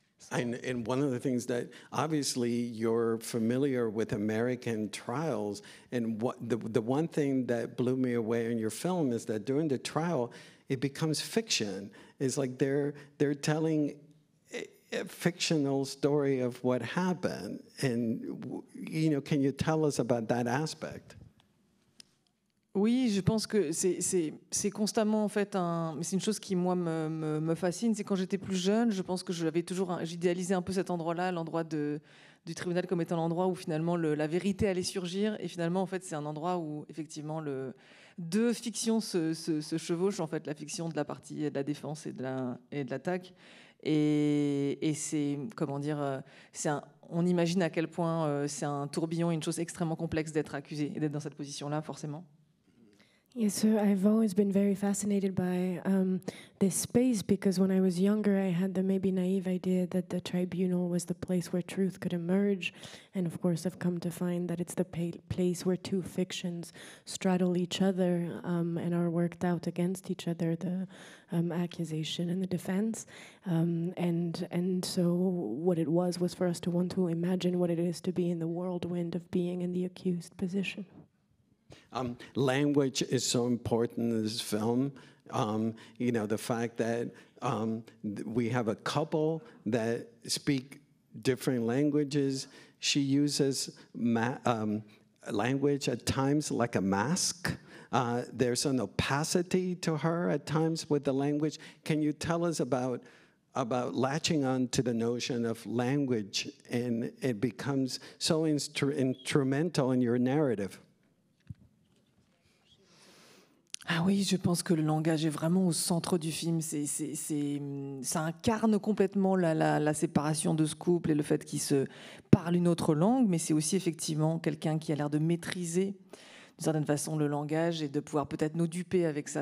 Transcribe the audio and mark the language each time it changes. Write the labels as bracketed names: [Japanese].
[English] And one of the things that, obviously, you're familiar with American trials, and what the one thing that blew me away in your film is that during the trial, it becomes fiction. It's like they're telling a fictional story of what happened, and you know, can you tell us about that aspect? [French] Oui, je pense que c'est constamment en fait un. Mais c'est une chose qui moi me fascine. C'est quand j'étais plus jeune, je pense que j'avais toujours j'idéalisais un peu cet endroit-là, l'endroit du tribunal comme étant l'endroit où finalement la vérité allait surgir. Et finalement, en fait, c'est un endroit où effectivement deux fictions se chevauchent. En fait, la fiction de la partie de la défense et de l'attaque. Et c'est, comment dire, on imagine à quel point c'est un tourbillon, une chose extrêmement complexe d'être accusé et d'être dans cette position-là, forcément. [English] Yes, so I've always been very fascinated by this space because when I was younger, I had the maybe naive idea that the tribunal was the place where truth could emerge. And of course, I've come to find that it's the place where two fictions straddle each other and are worked out against each other, the accusation and the defense. And so what it was for us to want to imagine what it is to be in the whirlwind of being in the accused position. Language is so important in this film. You know, the fact that we have a couple that speak different languages. She uses language at times like a mask. There's an opacity to her at times with the language. Can you tell us about latching on to the notion of language, and it becomes so instrumental in your narrative? [French] Ah oui, je pense que le langage est vraiment au centre du film. Ça incarne complètement la séparation de ce couple et le fait qu'ils se parlent une autre langue, mais c'est aussi effectivement quelqu'un qui a l'air de maîtriser d'une certaine façon le langage et de pouvoir peut-être nous duper avec ça.